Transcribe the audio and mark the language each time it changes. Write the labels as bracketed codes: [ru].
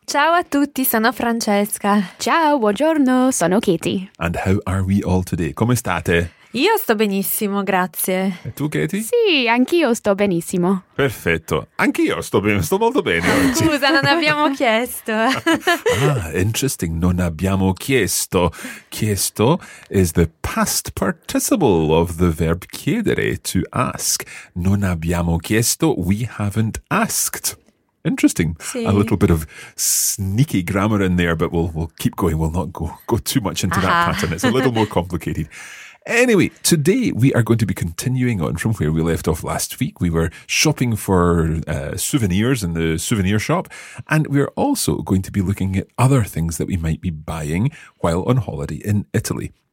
[it] Ciao a tutti, sono Francesca. Ciao, buongiorno, sono Katie. [en] And how are we all today? [it] Come state? Io sto benissimo, grazie. E tu, Katie? Sì, anch'io sto benissimo. Perfetto. Anch'io sto bene, sto molto bene oggi. Scusa, non abbiamo chiesto. [en] Ah, interesting. [it] Non abbiamo chiesto. [en] Chiesto is the past participle of the verb chiedere, to ask. [it] Non abbiamo chiesto, [en] we haven't asked. Interesting. [it] Sì. [en] A little bit of sneaky grammar in there, but we'll keep going. We'll not go too much into that pattern. It's a little more complicated. Anyway, today we are going to be continuing on from where we left off last week. We were shopping for souvenirs in the souvenir shop, and we are also going to be looking at other things that we might be buying while on holiday in Italy.